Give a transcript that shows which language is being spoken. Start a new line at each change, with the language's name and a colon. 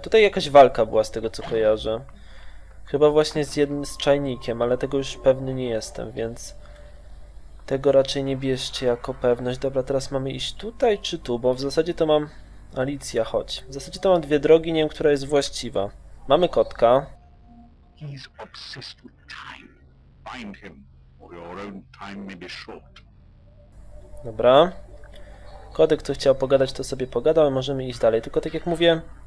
Polish: Tutaj jakaś walka była, z tego co kojarzę. Chyba właśnie z jednym z czajnikiem, ale tego już pewny nie jestem, więc... tego raczej nie bierzcie jako pewność. Dobra, teraz mamy iść tutaj czy tu, bo w zasadzie to mam... Alicja, chodź. W zasadzie to mam dwie drogi, nie wiem, która jest właściwa. Mamy kotka.
English: He's obsessed with time. Find him, or your own time may be short.
Polish: Dobra. Kodek tu chciał pogadać, to sobie pogadał, możemy iść dalej. Tylko tak jak mówię...